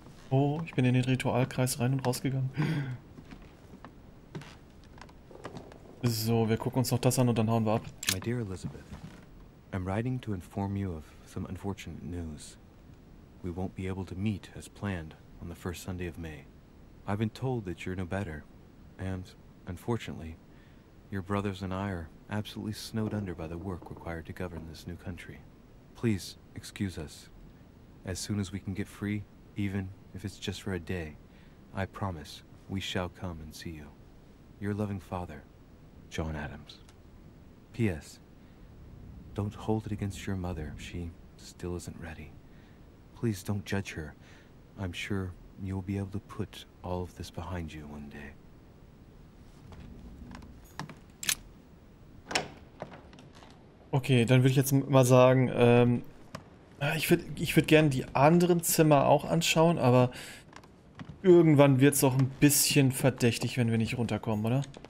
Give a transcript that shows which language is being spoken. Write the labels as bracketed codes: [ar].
[de] Oh, ich bin in den Ritualkreis rein und rausgegangen. So, wir gucken uns noch das an und dann hauen wir ab. [en] My dear Elizabeth, I'm writing to inform you of some unfortunate news. We won't be able to meet as planned on the first Sunday of May. I've been told that you're no better. And, unfortunately, your brothers and I are absolutely snowed under by the work required to govern this new country. Please, excuse us. As soon as we can get free, even if it's just for a day, I promise we shall come and see you. Your loving father, John Adams. P.S. Don't hold it against your mother. She still isn't ready. Please don't judge her. I'm sure you'll be able to put all of this behind you one day. [de] Okay, dann würde ich jetzt mal sagen, ich würde gerne die anderen Zimmer auch anschauen, aber Irgendwann wird's auch ein bisschen verdächtig, wenn wir nicht runterkommen, oder?